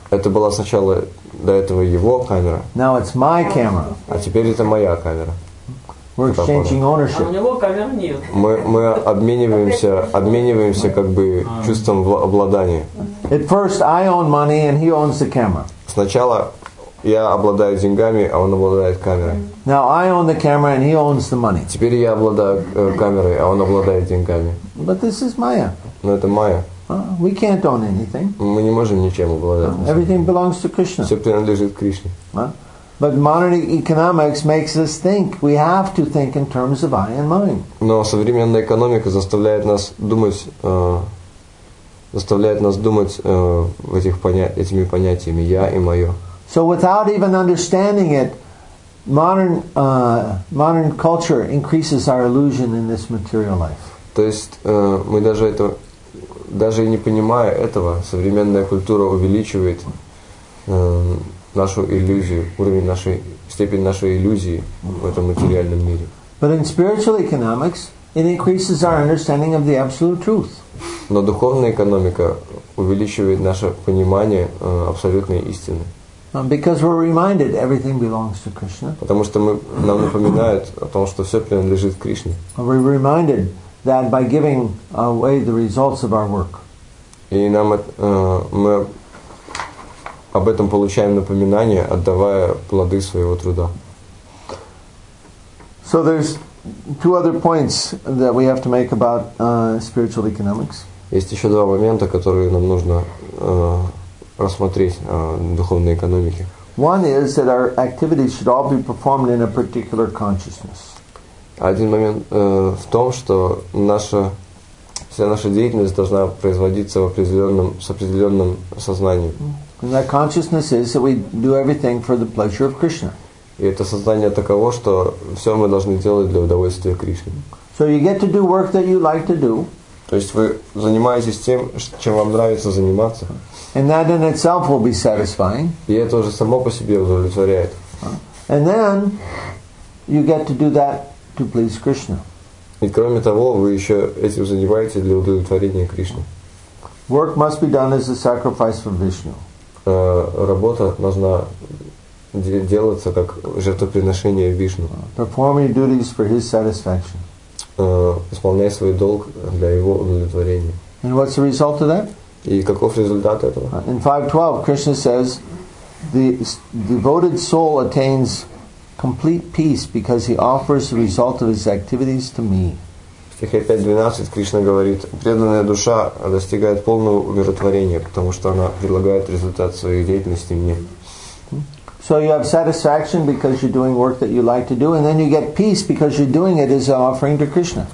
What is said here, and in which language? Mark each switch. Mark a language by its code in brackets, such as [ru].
[ru] Это была сначала до этого его камера. [en] Now it's my camera. [ru] А теперь это моя камера. [en] We're exchanging ownership. [ru] Мы обмениваемся как бы чувством обладания. [en] At first I own money and he owns the camera. [ru] Сначала я обладаю деньгами, а он обладает камерой. [en] Now I own the camera and he owns the money. [ru] Теперь я обладаю камерой, а он обладает деньгами. [en] But this is Maya. [ru] Но это Maya. [en] We can't own anything. [ru] Мы не можем ничем обладать. [en] Everything belongs to Krishna. [ru] Все принадлежит Кришне. [en] But modern economics makes us think. We have to think in terms of I and mine. [ru] Но современная экономика заставляет нас думать в этими понятиями я и мое. [en] So without even understanding it, modern culture increases our illusion in this material life. [ru] То есть мы даже не понимая этого, современная культура увеличивает нашу иллюзию, уровень нашей, степень нашей иллюзии в этом материальном мире. [en] But in spiritual economics, it increases our understanding of the absolute truth. [ru] Но духовная экономика увеличивает наше понимание абсолютной истины. [en] Because we're reminded everything belongs to Krishna. [ru] Потому что нам напоминают о том, что все принадлежит Кришне. [en] We're reminded that by giving away the results of our work. [ru] И нам мы об этом получаем напоминание, отдавая плоды своего труда. [en] So there's two other points that we have to make about spiritual economics. [ru] Есть еще два момента, которые нам нужно рассмотреть в духовной экономике. [en] One is that our activities should all be performed in a particular consciousness. [ru] Один момент в том, что вся наша деятельность должна производиться с определенным сознанием. [en] And that consciousness is that we do everything for the pleasure of Krishna. [ru] И это сознание таково, что все мы должны делать для удовольствия Кришны. [en] So you get to do work that you like to do. [ru] То есть вы занимаетесь тем, чем вам нравится заниматься. [en] And that in itself will be satisfying. [ru] И это уже само по себе удовлетворяет. [en] And then you get to do that to please Krishna. [ru] И кроме того, вы еще этим занимаетесь для удовлетворения Кришны. [en] Work must be done as a sacrifice for Vishnu. [ru] Работа должна делаться как жертвоприношение Вишну. [en] Perform your duties for his satisfaction. [ru] Исполняй свой долг для его удовлетворения. [en] And what's the result of that? [ru] И каков результат этого? [en] In 5.12 Krishna says the devoted soul attains complete peace because he offers the result of his activities to me. [ru] В стихе 5.12 Кришна говорит, преданная душа достигает полного умиротворения, потому что она предлагает результат своей деятельности мне. [en] So you have satisfaction because you're doing work that you like to do, and then you get peace because you're doing it as an offering to Krishna.